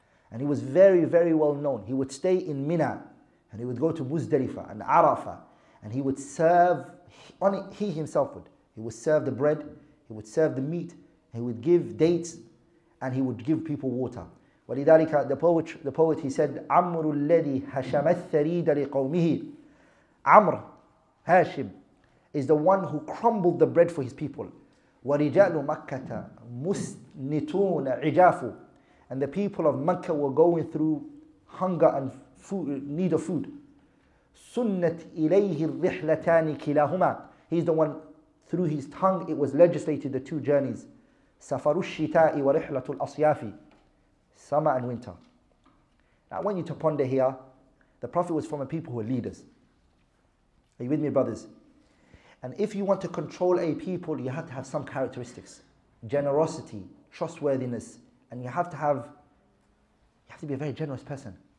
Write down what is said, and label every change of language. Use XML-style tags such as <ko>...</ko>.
<en>And he was very, very well known. He would stay in Mina, and he would go to Muzdalifah and Arafah, and he would serve, he himself would. He would serve the bread, he would serve the meat, he would give dates, and he would give people water.</en> <ar>ولذلك</ar> <en>the poet he said,</en> <ar>عمر الذي هشم الثريد لقومه.</ar> <en>عمر, هاشم, is the one who crumbled the bread for his people.</en> <ar>ورجال مكة مسنتون عجاف.</ar> <en>And the people of Mecca were going through hunger and food, need of food.</en> <ar>سنت إليه الرحلتان كلاهما.</ar> <en>He's the one, through his tongue, it was legislated the two journeys.</en> <ar>سفر الشتاء ورحلة الأصياف.</ar> <en>Summer and winter. Now, I want you to ponder here. The Prophet was from a people who were leaders. Are you with me, brothers? And if you want to control a people, you have to have some characteristics. Generosity, trustworthiness, and you have to be a very generous person.</en>